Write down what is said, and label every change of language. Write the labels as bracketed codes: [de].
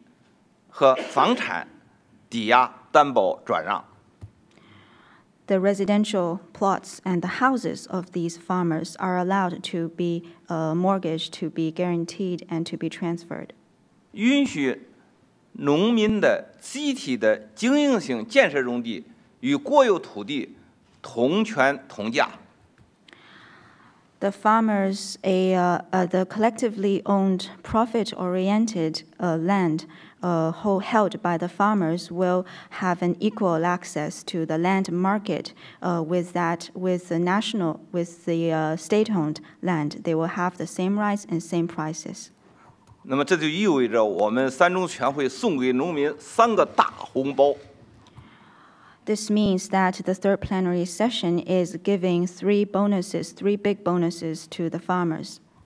[zh] 允许农民的宅基地和房产抵押。 [en] The residential plots and the houses of these farmers are allowed to be mortgaged, to be guaranteed, and to be transferred. [zh] 允许农民的集体的经营性建设用地与国有土地同权同价。 [en] The farmers, the collectively owned, profit-oriented land held by the farmers will have an equal access to the land market state-owned land. They will have the same rights and same prices. [zh] 那么这就意味着我们三中全会送给农民三个大红包。 [en] This means that the third plenary session is giving three bonuses, three big bonuses to the farmers.